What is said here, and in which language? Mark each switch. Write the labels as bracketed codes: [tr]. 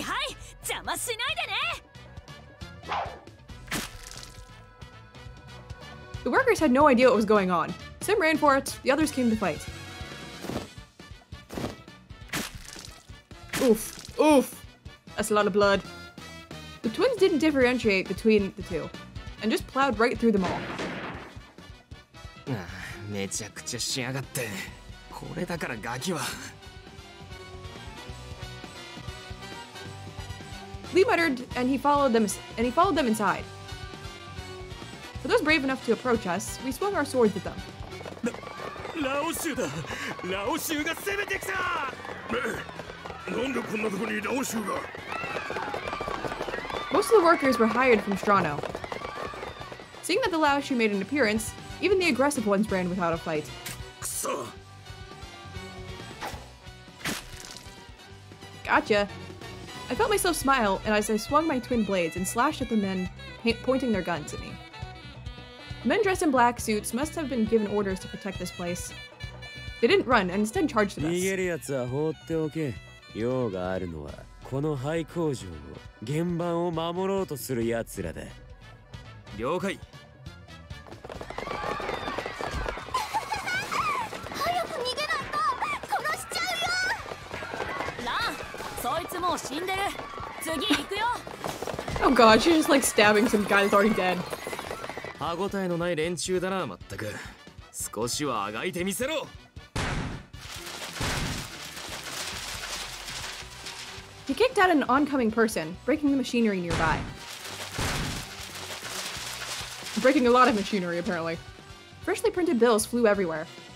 [ja] はいはい、邪魔しないでね。 [en] The workers had no idea what was going on. Sim ran for it, the others came to fight. Oof. Oof! That's a lot of blood. The twins didn't differentiate between the two, and just plowed right through them all. [ja] めちゃくちゃ仕上がって。これだからガキは。 [en] Lee muttered, and he followed them inside. For those brave enough to approach us, we swung our swords at them. [ja] Laoshu da! Laoshu ga semete kita! なんでこんなとこにラオシュが [en] Most of the workers were hired from Strano. Seeing that the Lao Shu made an appearance, even the aggressive ones ran without a fight. [ja] くそ [en] Gotcha. I felt myself smile and as I swung my twin blades and slashed at the men pointing their guns at me. The men dressed in black suits must have been given orders to protect this place. They didn't run and instead charged at us. [ja] 逃げるやつは放っておけ。用があるのはこの廃工場を原盤を守ろうとする奴らだ。了解。早く逃げないと殺しちゃうよ。ラン、そいつもう死んでる。次行くよ。 [en] Oh God, she's just like stabbing some guy that's already dead. [ja] 歯ごたえのない連中だな、まったく。少しはあがいてみせろ。 [en] He kicked out an oncoming person, breaking the machinery nearby. breaking a lot of machinery, apparently. Freshly printed bills flew everywhere.